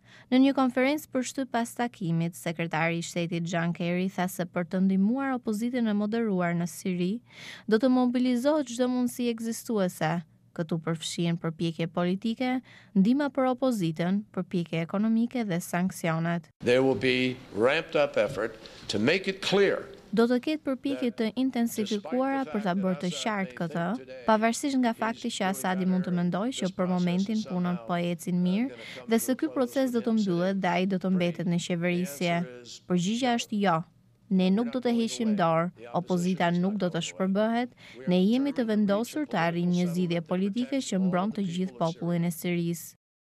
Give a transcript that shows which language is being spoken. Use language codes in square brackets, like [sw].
[sq] Në një konferencë për shtyp pas takimit, sekretari i shtetit John Kerry tha se për të ndihmuar opozitën e moderuar në Siri, do të mobilizohet çdo mundësi ekzistuese. Këtu përfshihen përpjekje politike, ndihma për opozitën, përpjekje ekonomike dhe sanksionet. [en] There will be ramped up effort to make it clear. [sq] Do të ketë përpjekje të intensifikuara për ta bërë të qartë këtë, pavarësisht nga fakti që Asadi mund të mendojë që për momentin punon po ecin mirë dhe se ky proces do të mbyllet dhe ai do të mbetet në qeverisje. Përgjigja është jo. Ne nuk do të heqim dorë, opozita nuk do të shpërbëhet, ne jemi të vendosur të arrijmë një zgjidhje politike që mbron të gjithë popullin e Sirisë.